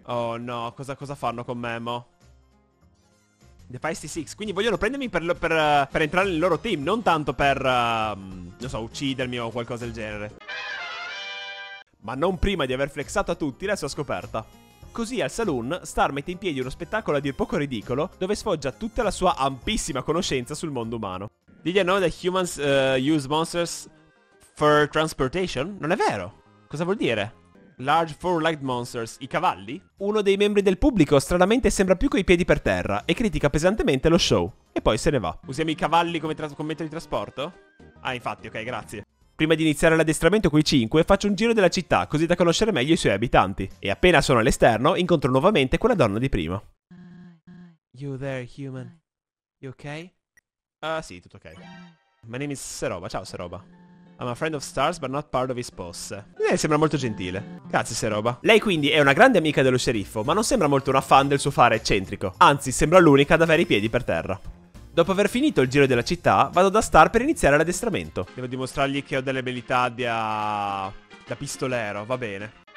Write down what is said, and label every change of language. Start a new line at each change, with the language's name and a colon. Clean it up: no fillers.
Italian: Oh no, cosa fanno con me, mo? The Feisty Six, quindi vogliono prendermi per entrare nel loro team, non tanto per, non so, uccidermi o qualcosa del genere. Ma non prima di aver flexato a tutti la sua scoperta. Così al saloon, Star mette in piedi uno spettacolo a dir poco ridicolo, dove sfoggia tutta la sua ampissima conoscenza sul mondo umano.
English: Did you know that humans use monsters for transportation?
Italian: Non è vero! Cosa vuol dire?
English: Large four-legged monsters,
Italian: i cavalli? Uno dei membri del pubblico stranamente sembra più coi piedi per terra e critica pesantemente lo show. E poi se ne va. Usiamo i cavalli come mezzo di trasporto? Ah, infatti, ok, grazie. Prima di iniziare l'addestramento coi cinque, faccio un giro della città così da conoscere meglio i suoi abitanti. E appena sono all'esterno, incontro nuovamente quella donna di prima.
English: You there, human? You okay?
Italian: Sì, tutto ok.
English: My name is Seroba,
Italian: ciao Seroba.
English: I'm a friend of Stars, but not part of his boss.
Italian: Lei sembra molto gentile. Grazie, Seroba. Lei quindi è una grande amica dello sceriffo, ma non sembra molto una fan del suo fare eccentrico. Anzi, sembra l'unica ad avere i piedi per terra. Dopo aver finito il giro della città, vado da Star per iniziare l'addestramento. Devo dimostrargli che ho delle abilità da pistolero, va bene.